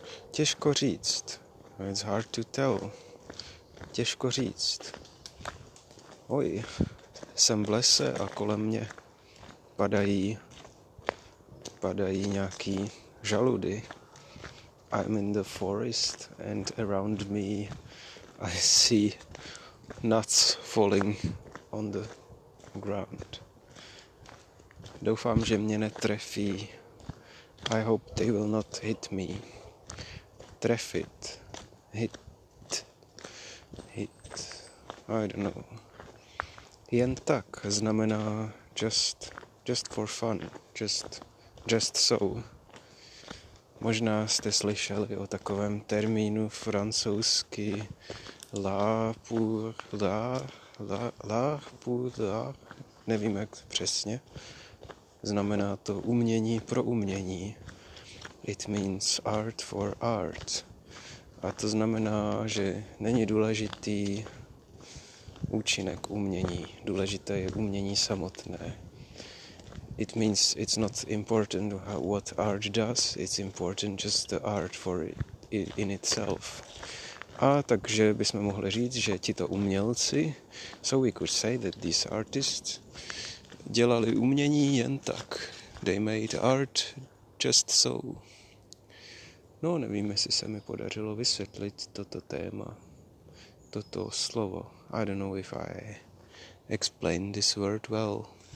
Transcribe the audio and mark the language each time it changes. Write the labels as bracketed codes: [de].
[cs] Těžko říct. [en] It's hard to tell. [cs] Těžko říct. Oj, jsem v lese a kolem mě padají nějaký žaludy. [en] I'm in the forest and around me I see nuts falling on the ground. [cs] Doufám, že mě netrefí. [en] I hope they will not hit me. [cs] Trefit. [en] Hit. I don't know. [cs] Jen tak znamená [en] just for fun, just so. [cs] Možná jste slyšeli o takovém termínu francouzsky la pour la, nevím jak přesně. Znamená to umění pro umění. [en] It means art for art. [cs] A to znamená, že není důležitý účinek umění. Důležité je umění samotné. [en] It means it's not important what art does, it's important just the art for it in itself. [cs] A takže bychom mohli říct, že tito umělci, [en] so we could say that these artists, [cs] dělali umění jen tak. [en] They made art just so. [cs] No, nevím, jestli se mi podařilo vysvětlit toto téma, toto slovo. [en] I don't know if I explained this word well.